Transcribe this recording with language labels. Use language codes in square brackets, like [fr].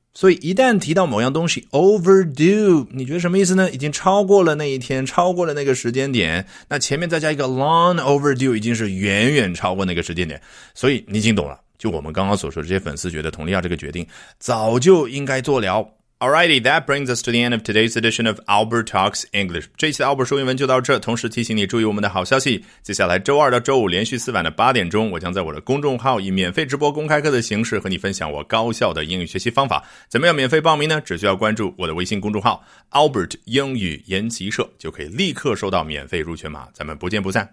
[zh] 所以一旦提到某样东西 overdue, 你觉得什么意思呢？已经超过了那一天，超过了那个时间点，那前面再加一个 long overdue, 已经是远远超过那个时间点。所以你已经懂了，就我们刚刚所说的，这些粉丝觉得佟丽娅这个决定早就应该做了。 [en] Alrighty, that brings us to the end of today's edition of Albert Talks English. [zh] 这期的 Albert 说英文就到这，同时提醒你注意我们的好消息。接下来周二到周五连续四晚的八点钟，我将在我的公众号以免费直播公开课的形式和你分享我高效的英语学习方法。怎么样免费报名呢？只需要关注我的微信公众号 Albert 英语研习社，就可以立刻收到免费入群码。咱们不见不散。